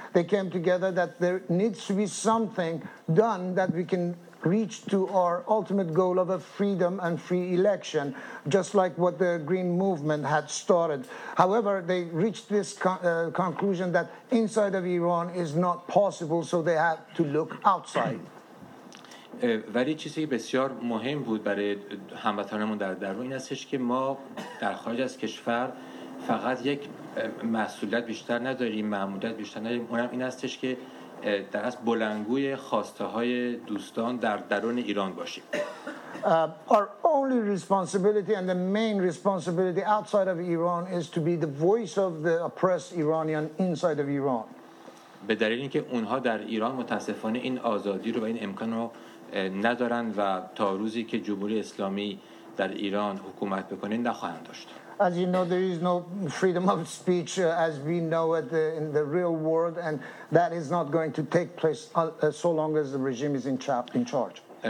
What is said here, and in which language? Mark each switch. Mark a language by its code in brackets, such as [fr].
[en] They came together that there needs to be something done that we can reach to our ultimate goal of a freedom and free election, just like what the Green Movement had started. However, they reached this conclusion that inside of Iran is not possible, so they had to look outside. [fa] ولی چیزی که بسیار مهم بود برای هموطنانمون در درون این استش که ما در خارج از کشور فقط یک مسئولیت بیشتر نداریم، مأموریت بیشتر نداریم، اونم این استش که در از بلندگوی خواسته های دوستان در درون ایران باشیم. [en] Our only responsibility and the main responsibility outside of Iran is to be the voice of the oppressed Iranian inside of Iran. [fa] به دلیل اینکه اونها در ایران متاسفانه این آزادی رو و این امکان رو ندارن و تا روزی که جمهوری اسلامی در ایران حکومت بکنه نخواهند داشت. [en] As you know, there is no freedom of speech as we know it in the real world, and that is not going to take place so long as the regime is in charge.